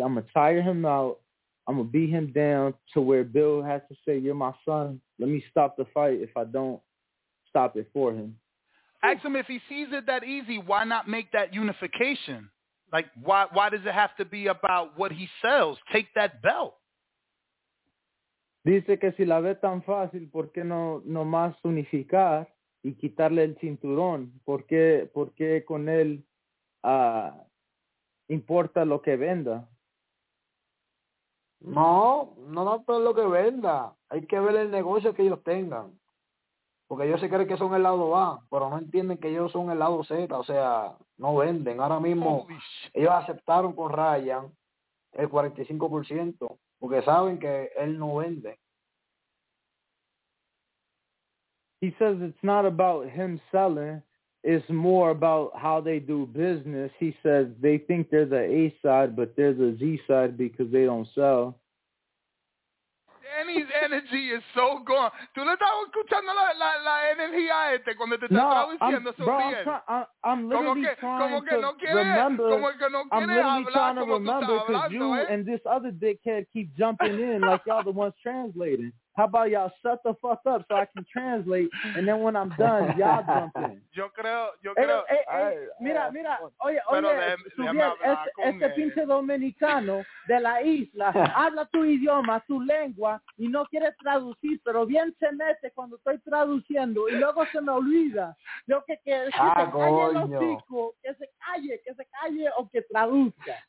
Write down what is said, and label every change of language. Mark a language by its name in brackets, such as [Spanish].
[English] I'm going to tire him out. I'm going to beat him down to where Bill has to say, you're my son. Let me stop the fight if I don't stop it for him. Ask him if he sees it that easy, why not make that unification? Like, why does it have to be about what he sells? Take that belt. [Spanish] Dice que si la ve tan fácil, ¿por qué no nomás unificar y quitarle el cinturón? ¿Por qué con él importa lo que venda? No, pero lo que venda. Hay que ver el negocio que ellos tengan. Porque ellos se creen que son el lado A, pero no entienden que ellos son el lado Z. O sea, no venden. Ahora mismo ellos aceptaron con Ryan el 45%. Porque saben que él no vende. [English] He says it's not about him selling. It's more about how they do business. He says they think they're the A side, but they're the Z side because they don't sell. Danny's energy is so gone. [Spanish] Tú le estabas escuchando la energía este cuando te estaba diciendo eso. [English] Bro, I'm literally trying to remember because you and this other dickhead keep jumping in like y'all the ones translating. How about y'all shut the fuck up so I can translate, and then when I'm done, y'all jump in. [Spanish] Yo creo. Mira. Oye, pinche dominicano de la isla, habla tu idioma, tu lengua, y no quieres traducir, pero bien se mete cuando estoy traduciendo, y luego se me olvida. Yo que se calle el hocico, que se calle o que traduzca.